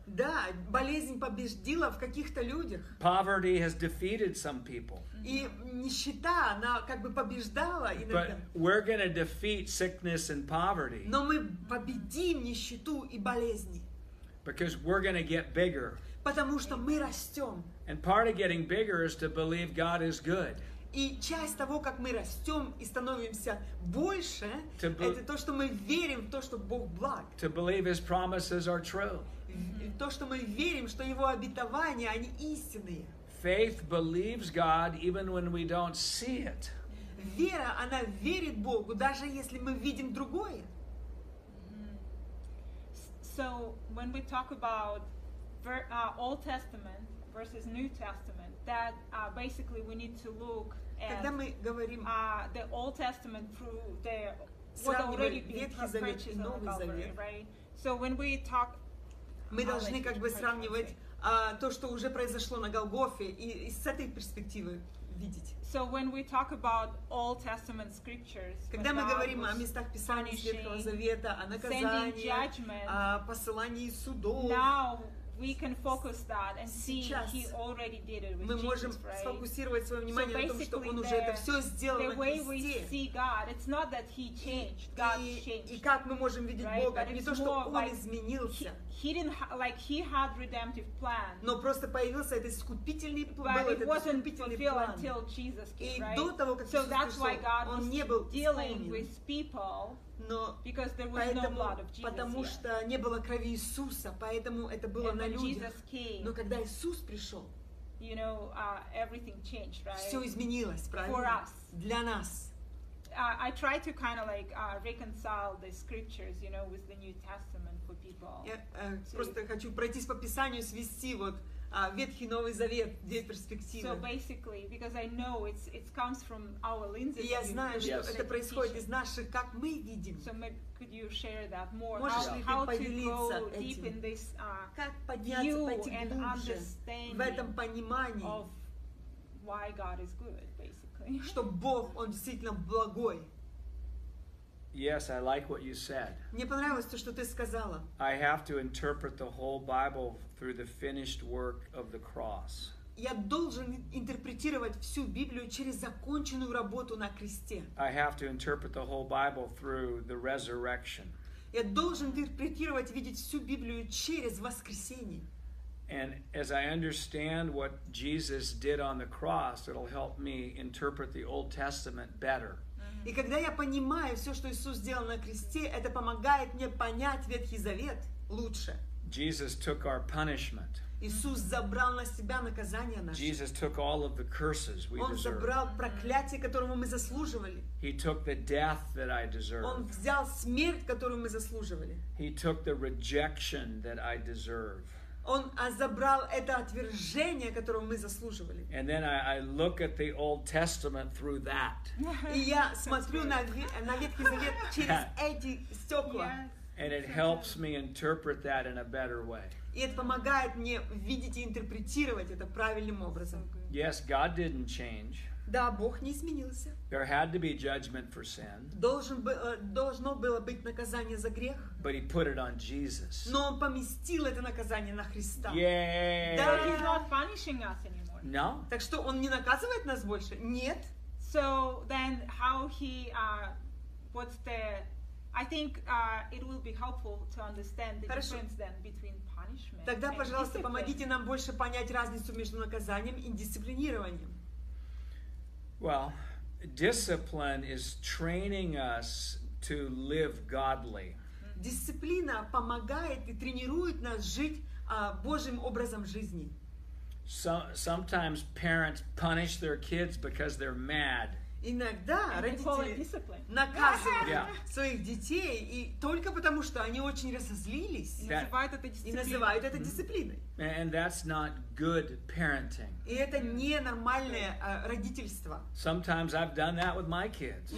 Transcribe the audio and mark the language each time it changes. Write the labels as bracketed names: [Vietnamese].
[Russian] Да, болезнь победила в каких-то людях. [English] Poverty has defeated some people. [Russian] И нищета, она как бы побеждала иногда. [English] But we're going to defeat sickness and poverty. [Russian] Но мы победим нищету и болезни. [English] Because we're going to get bigger. [Russian] Потому что мы растем. [English] And part of getting bigger is to believe God is good. [Russian] И часть того, как мы растем и становимся больше, это то, что мы верим в то, что Бог благ. [English] To believe His promises are true. [Russian] То, что мы верим, что Его обетования, они истинные. [English] Faith believes God even when we don't see it. [Russian] Вера, она верит Богу, даже если мы видим другое. [English] So, when we talk about Old Testament versus New Testament, that basically we need to look at the Old Testament through the what already been preached in the Old Testament, right? So [Russian] мы должны как бы сравнивать то, что уже произошло на Голгофе, и с этой перспективы видеть. [English] So when we talk about Old Testament scriptures, [Russian] когда мы говорим о местах Писания Ветхого Завета, о наказании, о посылании судов, [English] we can focus that and see he already did it with Jesus, right? [Russian] Сфокусировать своё внимание на том, что он уже это всё сделал на кресте. [English] The way we see God, it's not that he changed. God changed. [Russian] И как мы можем видеть Бога, не то, что он изменился. [English] He didn't like he had redemptive plan. [Russian] Но просто появился этот искупительный план. [English] But it wasn't fulfilled until Jesus came, right? [Russian] И до того, как Иисус пришёл, он не был [English] dealing with people. [Russian] Но [English] because there was [Russian] поэтому, [English] no blood of Jesus [Russian] потому [English] yet. [Russian] Что не было крови Иисуса, поэтому это было [English] and [Russian] на людях. [English] Came, [Russian] но когда Иисус пришел, [English] you know, everything changed, right? [Russian] Все изменилось, правильно? [English] For us. [Russian] Для нас. [English] I try to kind of like reconcile the scriptures, you know, with the New Testament for people. [Russian] Просто хочу пройтись по Писанию, свести вот Ветхий Новый Завет, две перспективы. [English] So basically, because I know it comes from our lenses. [Russian] Я знаю, что это происходит из наших, как мы видим. [English] So maybe could you share that more? [Russian] Можешь ли ты поделиться этим? Как подняться глубже в этом понимании? [English] Why God is good, basically. [Russian] Что Бог, Он действительно благой. [English] Yes, I like what you said. [Russian] Мне понравилось то, что ты сказала. [English] I have to interpret the whole Bible through the finished work of the cross. [Russian] Я должен интерпретировать всю Библию через законченную работу на кресте. [English] I have to interpret the whole Bible through the resurrection. [Russian] Я должен интерпретировать, видеть всю Библию через воскресение. [English] And as I understand what Jesus did on the cross, it'll help me interpret the Old Testament better. [Russian] И когда я понимаю все, что Иисус сделал на кресте, это помогает мне понять Ветхий Завет лучше. [English] Jesus took our punishment. [Russian] Иисус забрал на себя наказание наше. [English] Jesus took all of the curses we deserve. [Russian] Он забрал проклятие, которому мы заслуживали. [English] He took the death that I deserve. [Russian] Он взял смерть, которую мы заслуживали. [English] He took the rejection that I deserve. [Russian] Он забрал это отвержение, которого мы заслуживали. [English] And then I look at the Old Testament through that. [Russian] И я смотрю на Ветхий Завет через эти стекла. [English] And it helps me interpret that in a better way. [Russian] И это помогает мне видеть и интерпретировать это правильным образом. [English] Yes, God didn't change. [Russian] Да, Бог не изменился. [English] There had to be judgment for sin. [Russian] Должно было быть наказание за грех. [English] But he put it on Jesus. [Russian] Но он поместил это наказание на Христа. [English] Yay! [Russian] Да. [English] He's not punishing us anymore. No. [Russian] Так что он не наказывает нас больше? Нет. [English] So then how he, what's the, I think it will be helpful to understand the [Russian] Хорошо. [English] Difference then between punishment. [Russian] Тогда, пожалуйста, помогите нам больше понять разницу между наказанием и дисциплинированием. [English] Well, discipline is training us to live godly. [Russian] Дисциплина помогает и тренирует нас жить Божьим образом жизни. [English] Sometimes parents punish their kids because they're mad. [Russian] Иногда родители наказывают своих детей и только потому, что они очень разозлились, и называют это дисциплиной. [English] And that's not good parenting. [Russian] И это не нормальное родительство. [English] Sometimes I've done that with my kids.